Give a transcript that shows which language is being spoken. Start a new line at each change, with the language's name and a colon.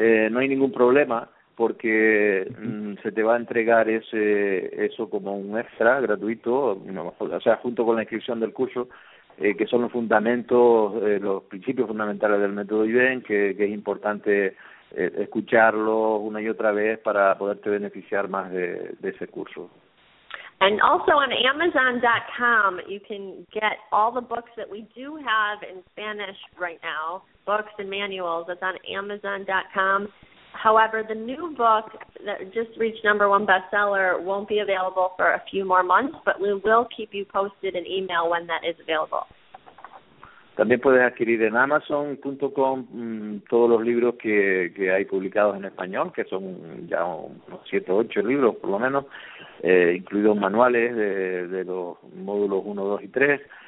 Spanish: no hay ningún problema, porque se te va a entregar eso como un extra gratuito, no, o sea, junto con la inscripción del curso, que son los fundamentos, los principios fundamentales del método Yuen, que es importante escucharlo una y otra vez para poderte beneficiar más de ese curso.
English: And also on Amazon.com, you can get all the books that we do have in Spanish right now, books and manuals. That's on Amazon.com. However, the new book that just reached number one bestseller won't be available for a few more months, but we will keep you posted in email when that is available.
Spanish: También puedes adquirir en Amazon.com todos los libros que hay publicados en español, que son ya unos 7 o 8 libros por lo menos, incluidos manuales de los módulos 1, 2 y 3.